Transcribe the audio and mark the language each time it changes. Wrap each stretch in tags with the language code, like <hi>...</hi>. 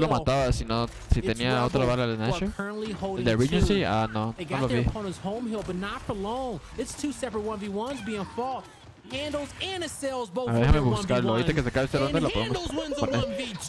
<es>Yo lo mataba si no, si tenía otra bala de Nashor. El de Regency, ah no, no lo vi.</es> <en>They got their opponent's home hill, but not for long. It's two separate 1v1s being fought. Handles and Assails both.</en> <es>A ver, déjame buscarlo. Ahorita que se acabe esta ronda lo podemos</es>